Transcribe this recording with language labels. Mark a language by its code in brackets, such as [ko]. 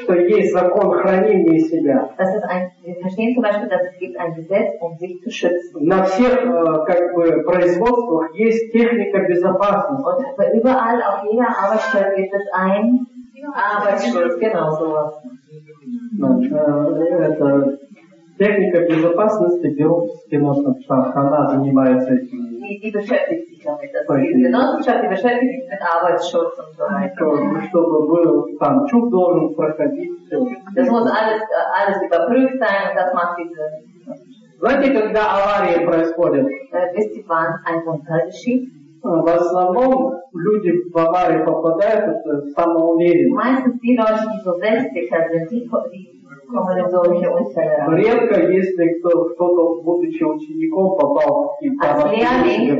[ru] что есть закон хранения себя. [de] Das ist ein, wir verstehen zum Beispiel, dass es gibt ein Gesetz, um sich zu schützen. [ru] На всех как бы производствах есть техника безопасности. [de] Und überall auf jeder Arbeitsstelle gibt es ein Arbeitsschutz, genau sowas. [ru] Это техника безопасности бюро Генштаба, она занимается этим. [de] Die beschäftigt sich damit. Die Genossenschaft, die beschäftigt sich mit Arbeitsschutz und so weiter. Das muss alles überprüft sein und das macht diese. [ru] Знаете, когда аварии происходят? [de] Wisst ihr, wann ein Unfall geschieht? [ru] В основном люди в аварии попадают, это самоуверенно. [de] Meistens die Leute, die so selbstsicher sind, die [ru] редко, если кто-то, будучи учеником, попал в